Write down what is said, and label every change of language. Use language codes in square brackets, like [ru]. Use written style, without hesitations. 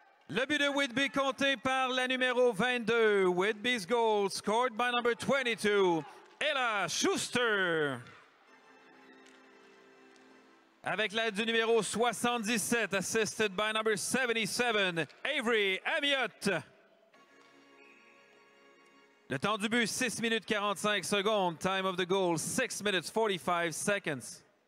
[fr] Le but de Whitby compté par la numéro 22. [en] Whitby's goal scored by number 22, Ella Schuster. [fr] Avec l'aide du numéro 77, [en] assisted by number 77, [fr] Avery Amiot. Le temps du but, 6 minutes 45 secondes. [en] Time of the goal, 6 minutes 45 seconds.